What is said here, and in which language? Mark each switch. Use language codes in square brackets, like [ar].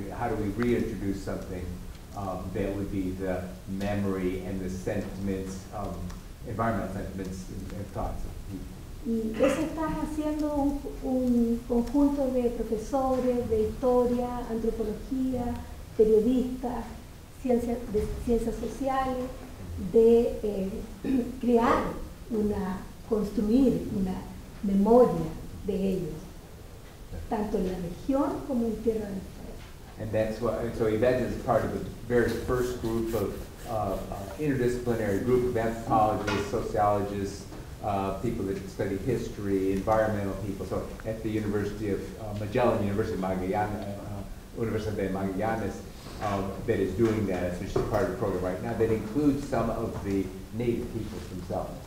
[en] How do we reintroduce something that would be the memory and the sentiments, environmental sentiments and thoughts of people? [es] Y eso está haciendo un conjunto de profesores de historia, antropología, periodistas, ciencias sociales, de crear una, construir una memoria de ellos, tanto en la región como en Tierra del Fuego. [en] And that's why, so Yvette is part of the very first group of interdisciplinary group of anthropologists, sociologists, people that study history, environmental people. So at the University of Magellan, Universidad de Magallanes, that is doing that, which is part of the program right now, that includes some of the native peoples themselves.